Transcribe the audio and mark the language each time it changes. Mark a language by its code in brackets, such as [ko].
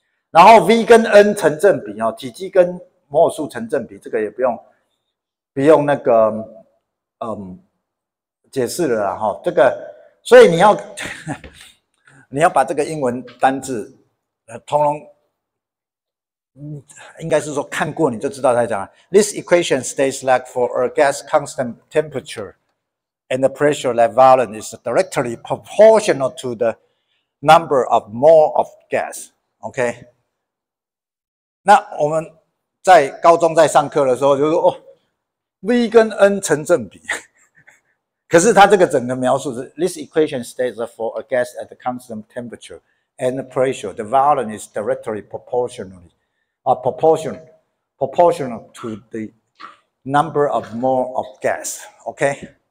[zh] 然后 V 跟 N 成正比啊，体积跟摩尔数成正比，这个也不用那个解释了啦齁，这个所以你要把这个英文单字通通应该是说看过你就知道他讲了。 [en] This equation states that for a gas constant temperature and the pressure that volume is directly proportional to the number of mole of gas. OK? [zh] 那我们在高中在上课的时候就说哦 ,V 跟 N 成正比。可是他这个整个描述是 [en] ,this equation states that for a gas at a constant temperature and pressure, the volume is directly proportional to the number of mole of gas, okay?